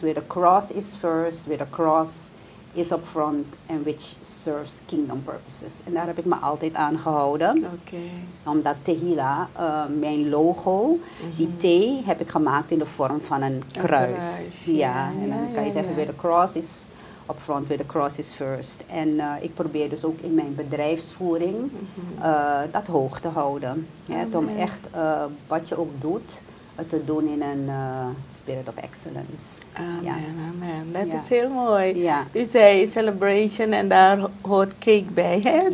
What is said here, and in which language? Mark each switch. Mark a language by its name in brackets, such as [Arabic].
[English] Where the cross is first, where the cross is up front and which serves kingdom purposes. [Dutch] En daar heb ik me altijd aan gehouden. Okay. Omdat Tehila, mijn logo, die T heb ik gemaakt in de vorm van een kruis. En dan kan je zeggen, [English] where the cross is up front, where the cross is first. [Dutch] En ik probeer dus ook in mijn bedrijfsvoering dat hoog te houden. Ja, om echt wat je ook doet, te doen in een [English] spirit of excellence. [Dutch] Amen. Dat is heel mooi. Ja. U zei celebration en daar hoort cake bij. Hè?